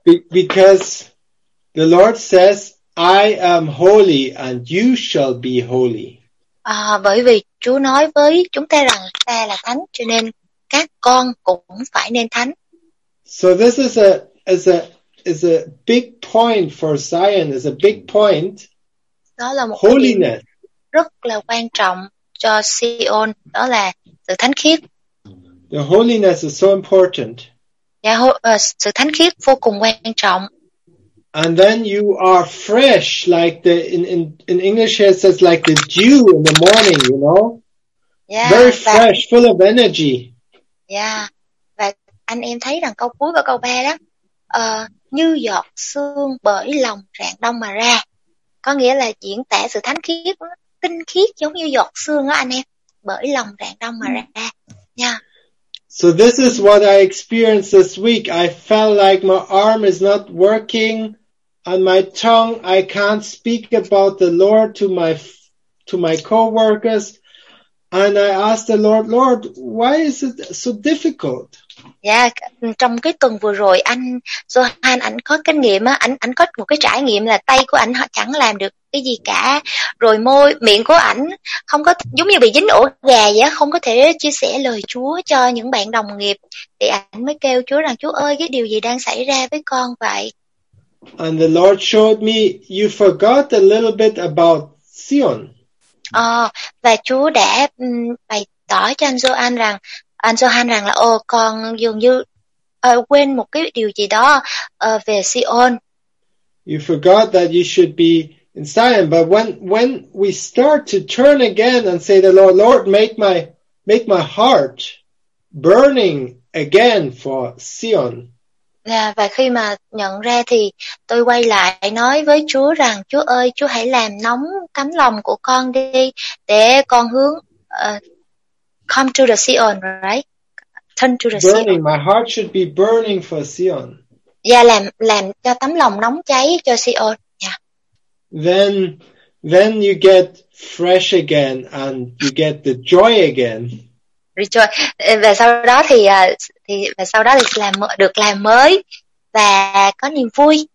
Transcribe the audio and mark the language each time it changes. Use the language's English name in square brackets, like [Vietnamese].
[English] Because the Lord says, I am holy and you shall be holy. [Vietnamese] À, bởi vì Chúa nói với chúng ta rằng ta là thánh, cho nên các con cũng phải nên thánh. [English] So this is a big point for Zion, is a big point. [Vietnamese] Đó là một [English] holiness. [Vietnamese] Cái điểm rất là quan trọng cho Zion, đó là sự thánh khiết. [English] The holiness is so important. [Vietnamese] Yeah, sự thánh khiết vô cùng quan trọng. [English] And then you are fresh, like the in English here it says like the dew in the morning, you know. Yeah, very fresh, full of energy. Yeah. [Vietnamese] Và anh em thấy rằng câu cuối và câu ba đó, như giọt sương bởi lòng rạng đông mà ra. Có nghĩa là diễn tả sự thánh khiết, tinh khiết giống như giọt sương đó anh em, bởi lòng rạng đông mà ra. [English] Yeah. So this is what I experienced this week. I felt like my arm is not working on my tongue. I can't speak about the Lord to my coworkers. And I asked the Lord, Lord, why is it so difficult? [Vietnamese] Yeah, trong cái tuần vừa rồi anh Johan ảnh có kinh nghiệm á, ảnh có một cái trải nghiệm là tay của ảnh chẳng làm được cái gì cả, rồi môi miệng của ảnh không có, giống như bị dính ổ gà vậy, không có thể chia sẻ lời Chúa cho những bạn đồng nghiệp, thì ảnh mới kêu Chúa rằng Chúa ơi, cái điều gì đang xảy ra với con vậy? [English] And the Lord showed me you forgot a little bit about Zion. [Vietnamese] Và Chúa đã bày tỏ cho anh Johan rằng là ồ, con dường như quên một cái điều gì đó về Zion. [English] You forgot that you should be in Zion, but when we start to turn again and say the Lord, Lord, make my heart burning again for Zion. [Vietnamese] Yeah, và khi mà nhận ra thì tôi quay lại nói với Chúa rằng Chúa ơi, Chúa hãy làm nóng tấm lòng của con đi để con hướng [English] come to the Zion, right? Turn to the burning, Zion. Burning, my heart should be burning for Zion. [Vietnamese] Yeah, làm cho tấm lòng nóng cháy cho Zion. [English] Yeah. Then you get fresh again and you get the joy again. Rejoice. [Vietnamese] Và sau đó thì và sau đó thì được làm mới và có niềm vui.